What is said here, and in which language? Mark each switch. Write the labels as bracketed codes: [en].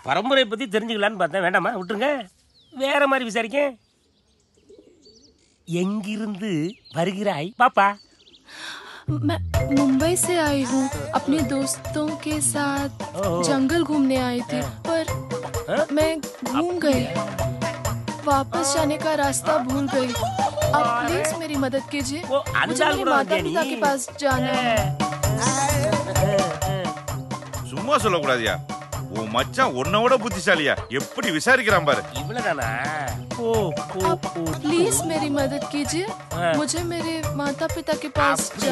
[ta] பரம்பரை பத்தி தெரிஞ்சுக்கலான்னு பார்த்தா வேண்டாமா, விட்டுருங்க. வேற மாதிரி விசாரிக்க, எங்கிருந்து வருகிறாய் பாப்பா? [hi] மும்பை से आई हूं अपने दोस्तों के साथ, जंगल घूमने आई थी, पर मैं घूम गई. वापस जाने का रास्ता भूल गई। आप प्लीज मेरी मदद कीजिए, मुझे मेरे माता पिता के पास जाना है। [ta] சும்மா சொல்ல கூடாதியா? ஓ மச்சான் உன்னோட புத்திசாலியா, எப்படி விசாரிக்கிறான் பாரு. இவ்வளவுதானா? [hi] ஓ ஓ ஓ ப்ளீஸ் மேரி மதத் கீஜி முஜே மேரி மாதா பிதா கே பாஸ்